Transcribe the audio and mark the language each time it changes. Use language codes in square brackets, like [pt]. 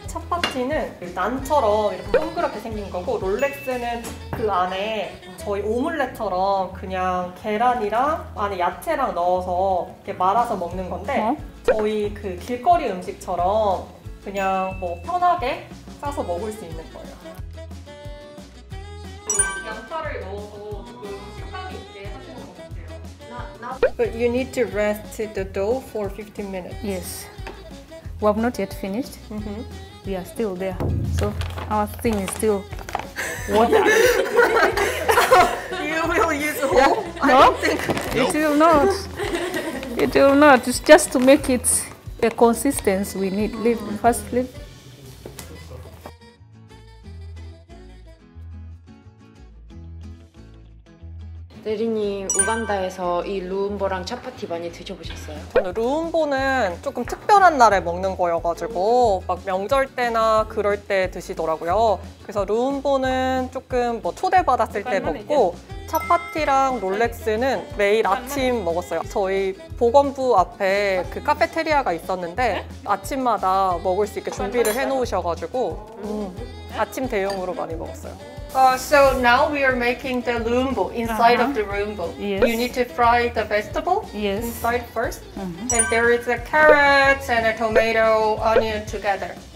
[ko] 차파티는 난처럼 이렇게 동그랗게 생긴 거고 롤렉스는 그 안에 저희 오믈렛처럼 그냥 계란이랑 안에 야채랑 넣어서 이렇게 말아서 먹는 건데 저희 그 길거리 음식처럼 그냥 뭐 편하게 싸서 먹을 수 있는 거예요. 양파를 넣어서 조금 식감이 있게 하시는 것 같아요. [en] But you need to rest the dough for 15 minutes. Yes. We have not yet finished. Mm-hmm. We are still there. So our thing is still water. You will use whole? Yeah. No? I don't think. It will not. It will not. It's just to make it the consistency we need. Leave. [ko] 대리님, 우간다에서 이 루웜보랑 차파티 많이 드셔보셨어요? 저는 루웜보는 조금 특별한 날에 먹는 거여가지고 막 명절 때나 그럴 때 드시더라고요. 그래서 루웜보는 조금 뭐 초대받았을 때 먹고 차파티랑 롤렉스는 매일 아침 먹었어요. 저희 보건부 앞에 그 카페테리아가 있었는데 아침마다 먹을 수 있게 준비를 해놓으셔가지고 아침 대용으로 많이 먹었어요. [en] So now we are making the luumbo inside of the luumbo. Yes. You need to fry the vegetable inside first. Mm-hmm. And there is a carrot and a tomato, onion together.